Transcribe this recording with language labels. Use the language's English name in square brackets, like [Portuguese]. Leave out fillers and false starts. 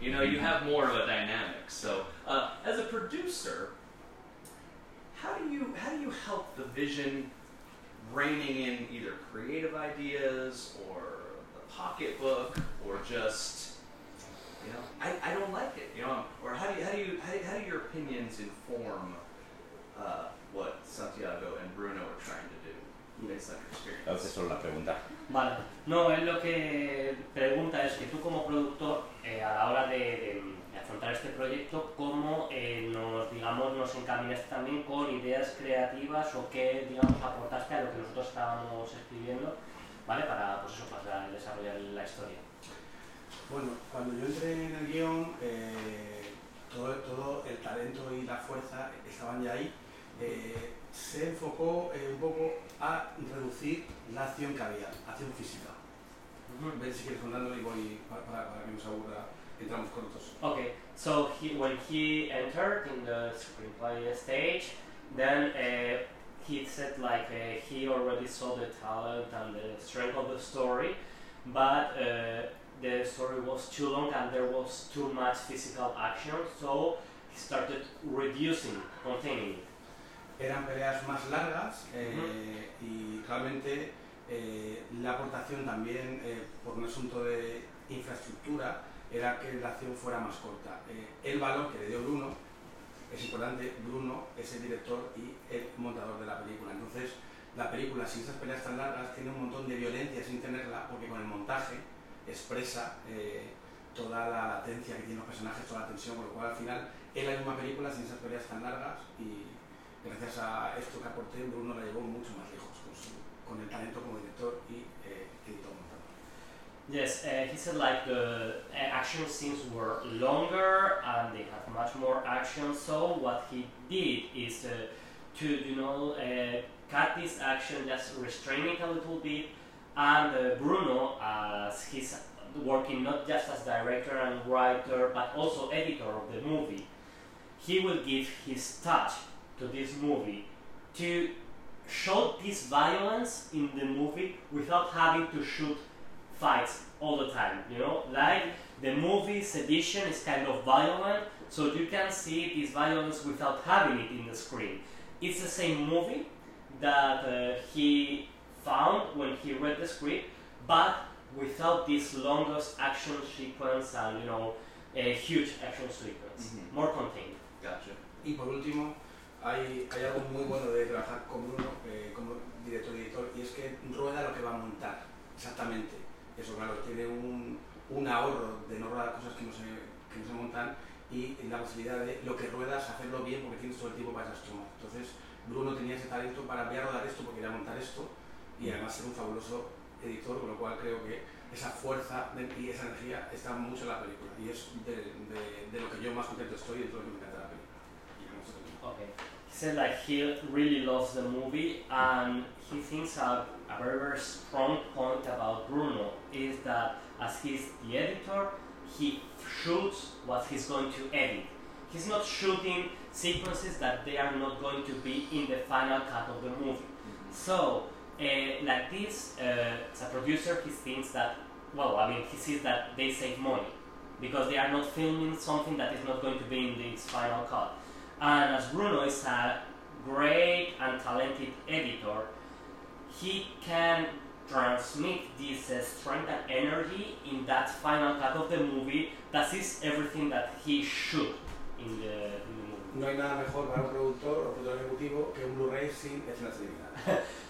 [English] You know, you have more of a dynamic. So, as a producer, how do you help the vision reining in either creative ideas or the pocketbook or just, you know, I don't like it. You know, or how do your opinions inform what Santiago and Bruno are trying to do? [Spanish] Esa es solo la pregunta. Vale. No, él lo que pregunta es que tú como productor, a la hora de afrontar este proyecto, ¿cómo nos encaminaste también con ideas creativas o qué, digamos, aportaste a lo que nosotros estábamos escribiendo, ¿vale? Para, pues eso, para desarrollar la historia. Bueno, cuando yo entré en el guión, todo el talento y la fuerza estaban ya ahí. Se enfocó un poco a reducir la acción que había, acción física. Ven, si quieres contarlo y voy para que nos aburra, entramos cortos. [English] Okay, so when he entered in the screenplay stage, then he said like he already saw the talent and the strength of the story, but the story was too long and there was too much physical action, so he started reducing, containing it. [Spanish] Eran peleas más largas, y claramente la aportación también, por un asunto de infraestructura, era que la acción fuera más corta. El valor que le dio Bruno, es importante, Bruno es el director y el montador de la película. Entonces, la película, sin esas peleas tan largas, tiene un montón de violencia sin tenerla, porque con el montaje expresa toda la latencia que tienen los personajes, toda la tensión, con lo cual al final es la misma película sin esas peleas tan largas, y gracias a esto que aporté, Bruno la llevó mucho más lejos con el talento como director y editor. [English] Yes, he said like the action scenes were longer and they have much more action. So what he did is to, you know, cut this action, just restrain it a little bit. And Bruno, as he's working not just as director and writer, but also editor of the movie, he will give his touch to this movie to show this violence in the movie without having to shoot fights all the time, you know, like the movie's edition is kind of violent, so you can see this violence without having it in the screen. It's the same movie that he found when he read the script, but without this longest action sequence and, you know, a huge action sequence, mm-hmm. More contained. Gotcha. [Spanish] Y por último, hay algo muy bueno de trabajar con Bruno como director, y es que rueda lo que va a montar, exactamente. Eso, claro, tiene un ahorro de no rodar cosas que no se montan, y la posibilidad de lo que ruedas hacerlo bien porque tienes todo el tiempo para esas tomas. Entonces, Bruno tenía ese talento para ver rodar esto porque quería montar esto, y además ser un fabuloso editor, con lo cual creo que esa fuerza y esa energía está mucho en la película. Y es de lo que yo más contento estoy y de lo que me encanta la película. Y vamos a ver. Okay. [English] He said that he really loves the movie, and he thinks a very, very strong point about Bruno is that as he's the editor, he shoots what he's going to edit. He's not shooting sequences that they are not going to be in the final cut of the movie. So, like this, as a producer, he thinks that, well, I mean, he sees that they save money because they are not filming something that is not going to be in this final cut. And as Bruno is a great and talented editor, he can transmit this strength and energy in that final cut of the movie that is everything that he should in the movie. [Spanish] No hay nada mejor para un productor o productor ejecutivo que un Blu-ray sin escenas eliminadas.